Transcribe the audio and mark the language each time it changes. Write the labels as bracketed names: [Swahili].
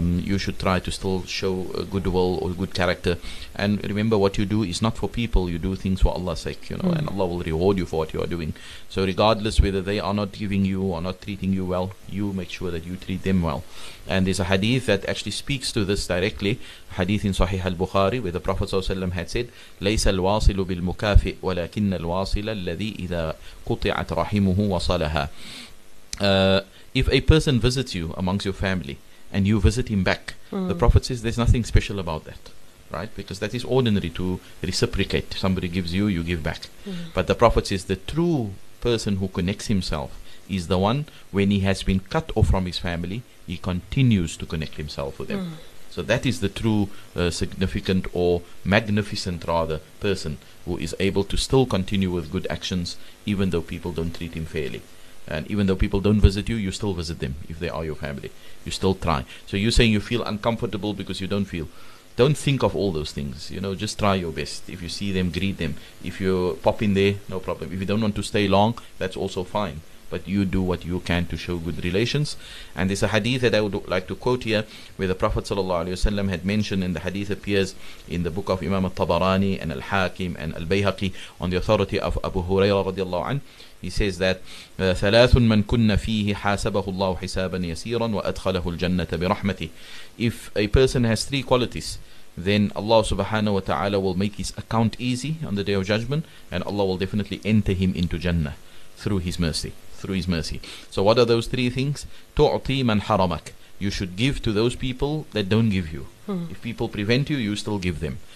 [English] You should try to still show goodwill or good character. And remember, what you do is not for people. You do things for Allah's sake, you know, and Allah will reward you for what you are doing. So regardless whether they are not giving you or not treating you well, you make sure that you treat them well. And there's a hadith that actually speaks to this directly. Hadith in Sahih al-Bukhari, where the Prophet ﷺ had said, [Arabic] لَيْسَ الْوَاصِلُ بِالْمُكَافِئِ وَلَكِنَّ الْوَاصِلَ الَّذِي إِذَا قُطِعَتْ رَحِمُهُ وَصَلَهَا. [English] If a person visits you amongst your family, and you visit him back, the Prophet says there's nothing special about that, right? Because that is ordinary to reciprocate. Somebody gives you, you give back. But the Prophet says the true person who connects himself is the one when he has been cut off from his family, he continues to connect himself with them. So that is the true significant or magnificent, rather, person who is able to still continue with good actions even though people don't treat him fairly. And even though people don't visit you, you still visit them if they are your family. You still try. So you're saying you feel uncomfortable because you don't feel. Don't think of all those things. You know, just try your best. If you see them, greet them. If you pop in there, no problem. If you don't want to stay long, that's also fine. But you do what you can to show good relations. And there's a hadith that I would like to quote here, where the Prophet ﷺ had mentioned, and the hadith appears in the book of Imam al-Tabarani and al-Hakim and al-Bayhaqi on the authority of Abu Hurairah radiallahu anhu. He says that [Arabic] ثَلَاثٌ مَنْ كُنَّ فِيهِ حَاسَبَهُ اللَّهُ حِسَابًا يَسِيرًا وَأَدْخَلَهُ الْجَنَّةَ بِرَحْمَتِهِ. [English] If a person has three qualities, then Allah subhanahu wa ta'ala will make his account easy on the day of judgment, and Allah will definitely enter him into Jannah through his mercy. So what are those three things? [Arabic] تُعْطِي مَنْ حَرَمَكَ. [English] You should give to those people that don't give you. If people prevent you still give them.